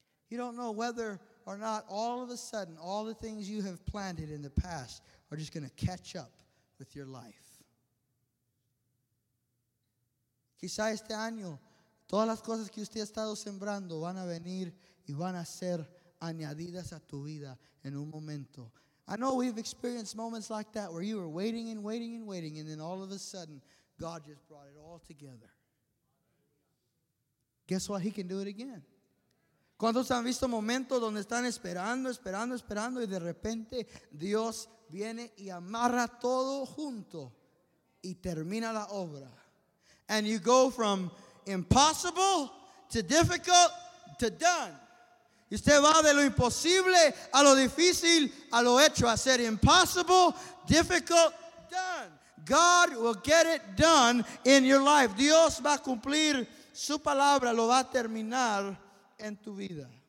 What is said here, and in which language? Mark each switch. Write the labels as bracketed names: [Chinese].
[English] You don't know whether or not all of a sudden all the things you have planted in the past are just going to catch up with your life. [Spanish] Quizá este año todas las cosas que usted ha estado sembrando van a venir y van a ser añadidas a tu vida en un momento. [English] I know we've experienced moments like that where you were waiting and waiting and waiting, and then all of a sudden, God just brought it all together. Guess what? He can do it again. [Spanish] ¿Cuántos han visto momentos donde están esperando, esperando, esperando y de repente Dios viene y amarra todo junto y termina la obra? [English] And you go from impossible to difficult to done. [Spanish] Y usted va de lo imposible a lo difícil a lo hecho. [English] I said impossible, difficult, done. God will get it done in your life. [Spanish] Dios va a cumplir su palabra, lo va a terminar en tu vida.